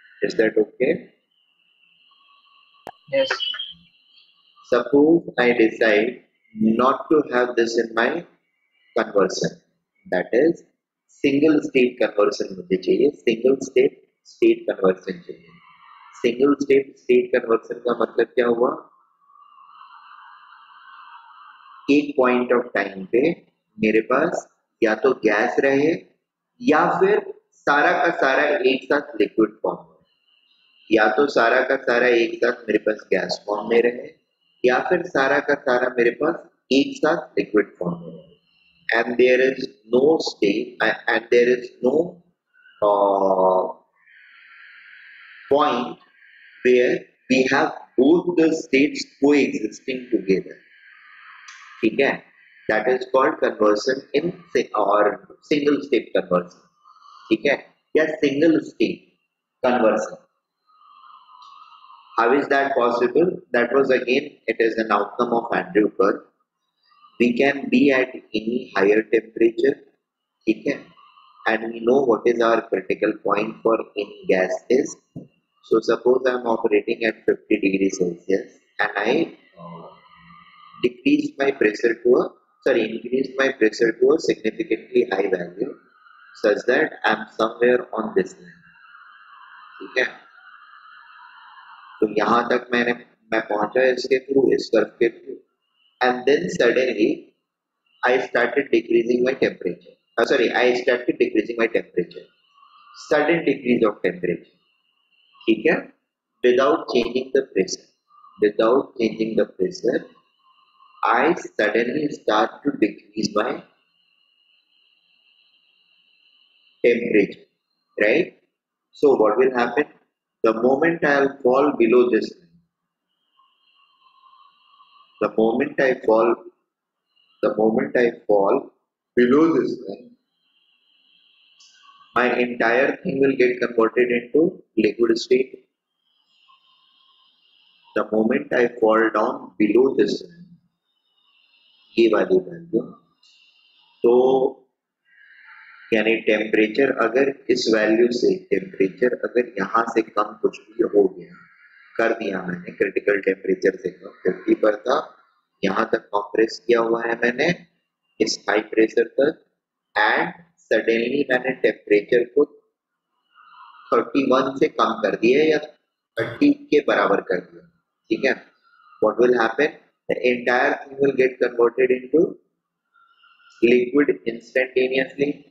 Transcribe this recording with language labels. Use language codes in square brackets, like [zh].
[en] Is that okay? Yes. Suppose I decide not to have this in my conversion. That is single state conversion [hi] मुझे चाहिए. [en] Single state state conversion [hi] चाहिए. [en] Single state state conversion [hi] का मतलब क्या हुआ? एक point of time पे मेरे पास या तो गैस रहे या फिर सारा का सारा एक साथ लिक्विड फॉर्म में, या तो सारा का सारा एक साथ मेरे पास गैस फॉर्म में रहे या फिर सारा का सारा मेरे पास एक साथ लिक्विड फॉर्म में रहे. [en] And there is no state and there is no point where we have both the states coexisting together. [hi] ठीक है, [en] That is called conversion in और single state conversion. [hi] ठीक है, या single state conversion. [en] How is that possible? That was again it is an outcome of Andrew curve. We can be at any higher temperature. [hi] ठीक है, [en] And we know what is our critical point for any gas is. So suppose I am operating at 50 degree Celsius and I decrease my pressure to a sorry increase my pressure to a significantly high value such that I'm somewhere on this line. [hi] ठीक है, तो यहां तक मैं पहुंचा इसके through, इस curve के through. [en] And then suddenly I started decreasing my temperature. Sorry I started decreasing my temperature, sudden decrease of temperature. [hi] ठीक है, [en] Without changing the pressure I suddenly start to decrease my temperature, right? So what will happen? The moment I'll fall below this line, the moment I fall below this line, my entire thing will get converted into liquid state. The moment I fall down below this line, [hi] वाली value, तो यानी temperature अगर इस value से यहां से कम कुछ भी हो गया, कर दिया मैंने क्रिटिकल टेम्परेचर से कम, 50 पर था, यहां तक कॉम्प्रेस किया हुआ है मैंने इस हाई प्रेशर तक, एंड सडनली मैंने टेम्परेचर को 31 से कम कर दिया या 30 के बराबर कर दिया. ठीक है, [en] What will happen? The entire thing will get converted into liquid instantaneously.